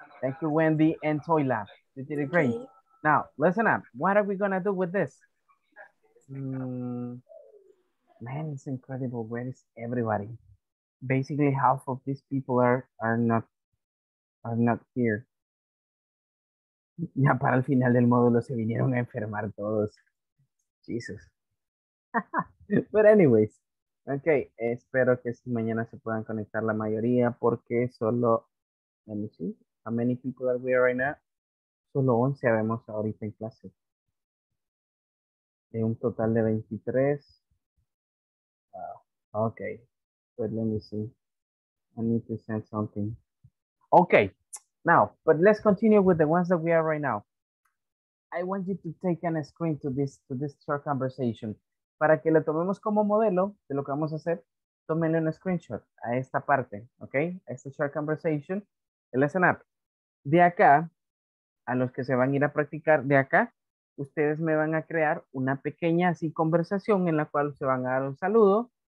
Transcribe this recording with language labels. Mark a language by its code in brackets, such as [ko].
[en] Thank you, Wendy and Toyla. You did it great. Okay. Now, listen up. What are we going to do with this? Man, it's incredible. Where is everybody? Basically, half of these people are not here. [es] Ya para el final del módulo se vinieron a enfermar todos. [en] Jesus. But anyways. Okay, [es] espero que esta mañana se puedan conectar la mayoría porque solo, [en] let me see, how many people are we right now? [es] Solo 11 vemos ahorita en clase. De un total de 23. Wow. [en] Okay, but let me see. I need to send something. Okay, now, but let's continue with the ones that we are right now. I want you to take a screen to this short conversation. [es] Para que lo tomemos como modelo de lo que vamos a hacer, tómenle un screenshot a esta parte, ¿ok? A esta [en] short conversation, [es] el [en] listen up. [es] De acá, a los que se van a ir a practicar, de acá, ustedes me van a crear una pequeña así conversación en la cual se van a dar un saludo.